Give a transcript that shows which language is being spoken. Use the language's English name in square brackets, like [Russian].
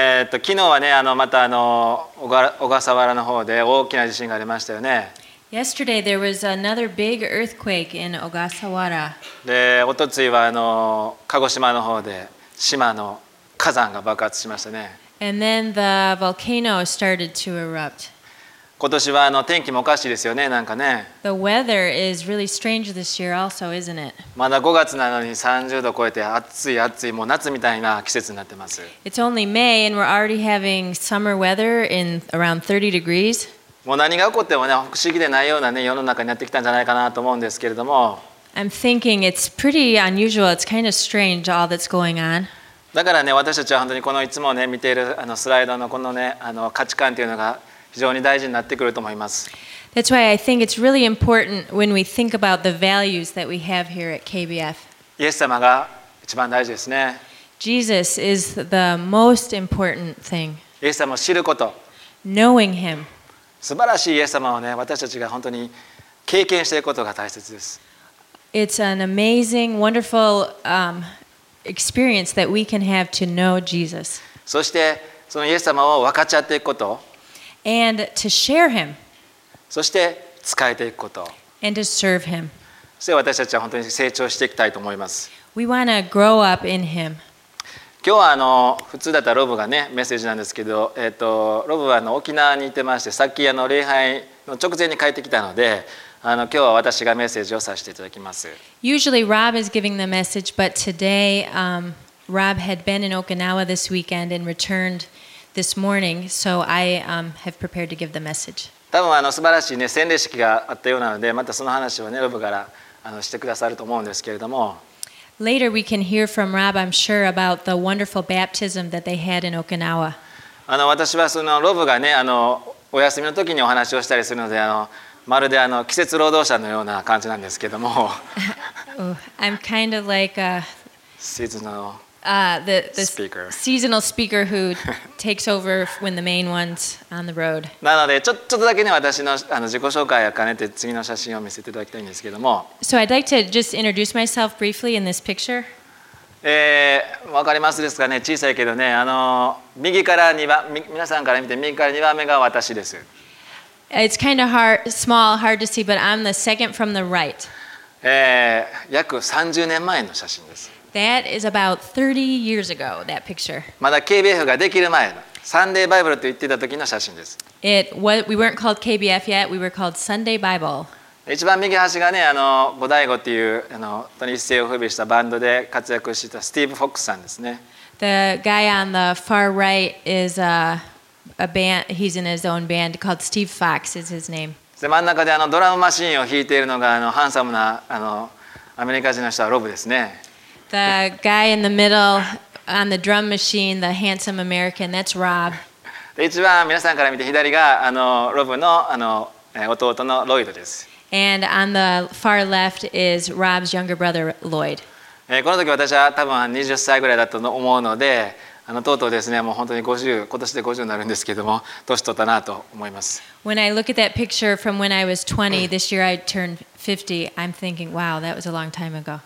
[Japanese] 昨日はね、またあの小笠原の方で大きな地震がありましたよね。 [English] Yesterday there was another big earthquake in Ogasawara. [Japanese] で、おとついは鹿児島の方で島の火山が爆発しましたね。 [English] And then the volcano started to erupt. [Japanese] 今年は天気もおかしいですよね、なんかね。 [English] The weather is really strange this year also, isn't it? [Japanese] まだ5月なのに30度超えて暑い暑い、もう夏みたいな季節になってます。 [English] It's only May and we're already having summer weather in around 30 degrees. [Japanese] もう何が起こっても、ね、不思議でないような、ね、世の中になってきたんじゃないかなと思うんですけれども。 [English] I'm thinking it's pretty unusual, it's kind of strange all that's going on. [Japanese] だからね、私たちは本当にこのいつもね、見ているスライドのこのね、価値観というのが非常に大事になってくると思います。 [English] That's why I think it's really important when we think about the values that we have here at KBF. [Japanese] イエス様が一番大事ですね。 [English] Jesus is the most important thing. [Japanese] イエス様を知ること。 [English] Knowing him. [Japanese] 素晴らしいイエス様をね、私たちが本当に経験していくことが大切です。 [English] It's an amazing, wonderful experience that we can have to know Jesus. [Japanese] そしてそのイエス様を分かち合っていくこと。 [English] And to share him. [Japanese] そして使えていくこと。 [English] And to serve him. [Japanese] そして私たちは本当に成長していきたいと思います。 [English] We want to grow up in him. [Japanese] 今日は普通だったらロブがねメッセージなんですけど、ロブは沖縄にいてまして、さっき礼拝の直前に帰ってきたので、今日は私がメッセージをさせていただきます。 [English] Usually Rob is giving the message, but today Rob had been in Okinawa this weekend and returned. This morning, so I have prepared to give the message. [Japanese] 多分素晴らしいね洗礼式があったようなので、またその話をねロブからしてくださると思うんですけれども。 [English] Later we can hear from Rob, I'm sure, about the wonderful baptism that they had in Okinawa. [Japanese] 私はそのロブがねお休みの時にお話をしたりするので、まるで季節労働者のような感じなんですけれども。 [English] I'm kind of like a seasonal. Seasonal speaker who takes over when the main one's on the road. [Japanese] なのでちょっとだけね私の自己紹介を兼ねて次の写真を見せていただきたいんですけども。 [English] So I'd like to just introduce myself briefly in this picture. [Japanese] わかりますですかね小さいけどね右から2番皆さんから見て右から2番目が私です。 [English] It's kind of hard to see, but I'm the second from the right. [Japanese] 約30年前の写真です。 [English] That is about 30 years ago, that picture. [Japanese] まだ KBF ができる前の、サンデーバイブルと言ってた時の写真です。 [English] We weren't called KBF yet, we were called Sunday Bible. [Japanese] 一番右端がね、ゴダイゴっていう、一世を風靡したバンドで活躍していたスティーブ・フォックスさんですね。 [English] The guy on the far right is a band, he's in his own band called Steve Fox is his name. [Japanese] で、真ん中でドラムマシンを弾いているのがハンサムなアメリカ人の人はロブですね。 [English] The guy in the middle on the drum machine, the handsome American, that's Rob. [Japanese] 一番皆さんから見て左がロブの弟のロイドです。 [English] And on the far left is Rob's younger brother, Lloyd. [Japanese] この時私は多分20歳ぐらいだったと思うので、とうとうですね、もう本当に50、今年で50になるんですけども、年取ったなと思います。 [English] When I look at that picture from when I was 20, this year I turned 50, I'm thinking, wow, that was a long time ago.